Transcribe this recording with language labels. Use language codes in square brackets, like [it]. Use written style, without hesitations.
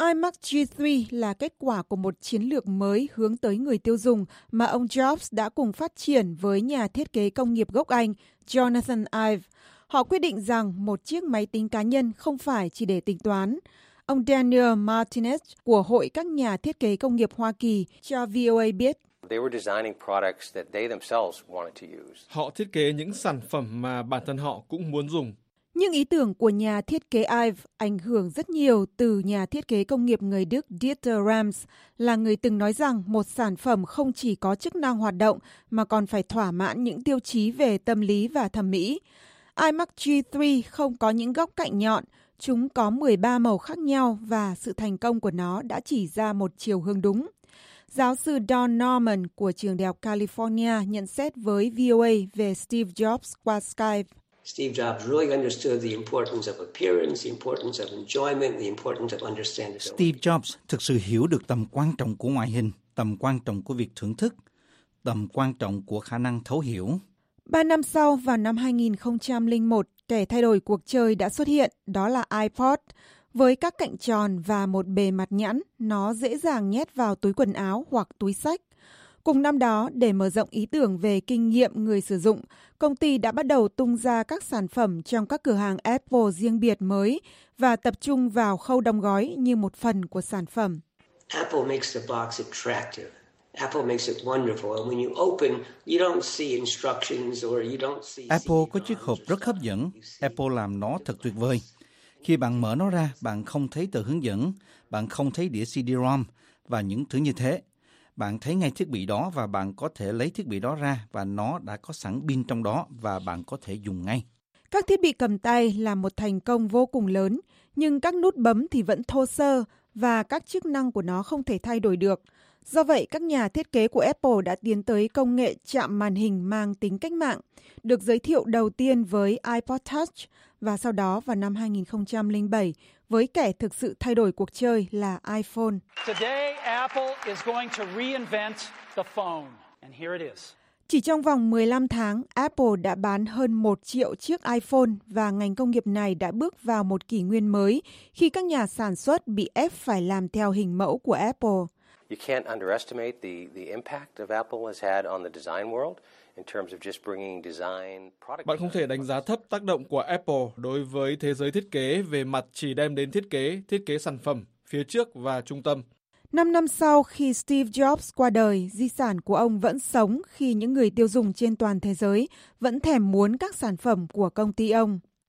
[vi] iMac G3 là kết quả của một chiến lược mới hướng tới người tiêu dùng mà ông Jobs đã cùng phát triển với nhà thiết kế công nghiệp gốc Anh, Jonathan Ive. Họ quyết định rằng một chiếc máy tính cá nhân không phải chỉ để tính toán. Ông Daniel Martinez của Hội các nhà thiết kế công nghiệp Hoa Kỳ cho VOA biết. [en] They were designing products that they themselves wanted to use. [vi] Họ thiết kế những sản phẩm mà bản thân họ cũng muốn dùng. Nhưng ý tưởng của nhà thiết kế Ive ảnh hưởng rất nhiều từ nhà thiết kế công nghiệp người Đức Dieter Rams, là người từng nói rằng một sản phẩm không chỉ có chức năng hoạt động mà còn phải thỏa mãn những tiêu chí về tâm lý và thẩm mỹ. iMac G3 không có những góc cạnh nhọn. Chúng có 13 màu khác nhau và sự thành công của nó đã chỉ ra một chiều hướng đúng. Giáo sư Don Norman của Trường Đại học California nhận xét với VOA về Steve Jobs qua Skype. [en] Steve Jobs really understood the importance of appearance, the importance of enjoyment, the importance of understanding. [vi] Steve Jobs thực sự hiểu được tầm quan trọng của ngoại hình, tầm quan trọng của việc thưởng thức, tầm quan trọng của khả năng thấu hiểu. 3 năm sau, vào năm 2001, kẻ thay đổi cuộc chơi đã xuất hiện, đó là iPod. Với các cạnh tròn và một bề mặt nhẵn, nó dễ dàng nhét vào túi quần áo hoặc túi sách. Cùng năm đó, để mở rộng ý tưởng về kinh nghiệm người sử dụng, công ty đã bắt đầu tung ra các sản phẩm trong các cửa hàng Apple riêng biệt mới và tập trung vào khâu đóng gói như một phần của sản phẩm. [en] Apple makes the box attractive. Apple makes it wonderful. When you open, you don't see instructions or you don't see. [vi] Apple có chiếc hộp rất hấp dẫn. Apple làm nó thật tuyệt vời. Khi bạn mở nó ra, bạn không thấy tờ hướng dẫn, bạn không thấy đĩa CD-ROM và những thứ như thế. Bạn thấy ngay thiết bị đó và bạn có thể lấy thiết bị đó ra và nó đã có sẵn pin trong đó và bạn có thể dùng ngay. Các thiết bị cầm tay là một thành công vô cùng lớn, nhưng các nút bấm thì vẫn thô sơ và các chức năng của nó không thể thay đổi được. Do vậy, các nhà thiết kế của Apple đã tiến tới công nghệ chạm màn hình mang tính cách mạng, được giới thiệu đầu tiên với iPod Touch và sau đó vào năm 2007 với kẻ thực sự thay đổi cuộc chơi là iPhone. [en] Today, Apple is going to reinvent the phone. And here it is. [vi] Chỉ trong vòng 15 tháng, Apple đã bán hơn 1 triệu chiếc iPhone và ngành công nghiệp này đã bước vào một kỷ nguyên mới khi các nhà sản xuất bị ép phải làm theo hình mẫu của Apple. [en] You can't underestimate the impact of Apple has had on the design world in terms of just bringing design product. [vi] Bạn không thể đánh giá thấp tác động của Apple đối với thế giới thiết kế về mặt chỉ đem đến thiết kế sản phẩm phía trước và trung tâm. 5 năm sau khi Steve Jobs qua đời, di sản của ông vẫn sống khi những người tiêu dùng trên toàn thế giới vẫn thèm muốn các sản phẩm của công ty ông.